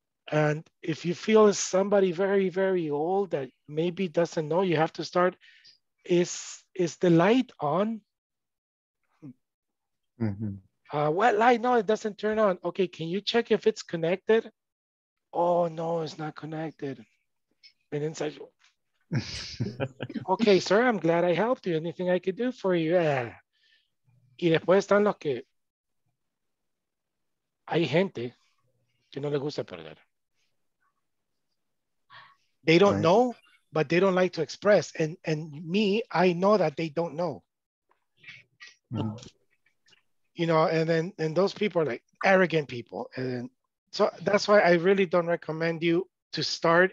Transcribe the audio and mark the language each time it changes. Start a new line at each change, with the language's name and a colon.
English: And if you feel it's somebody very, very old that maybe doesn't know, you have to start, is the light on? Mm-hmm. What light? No, it doesn't turn on. Okay, can you check if it's connected? Oh, no, it's not connected. And inside, okay, sir, I'm glad I helped you. Anything I could do for you? Yeah.
Spanish: Y después están los que hay gente que no le gusta perder.
English: They don't know, but they don't like to express. And me, I know that they don't know. Mm-hmm. You know, and those people are like arrogant people. And so that's why I really don't recommend you to start.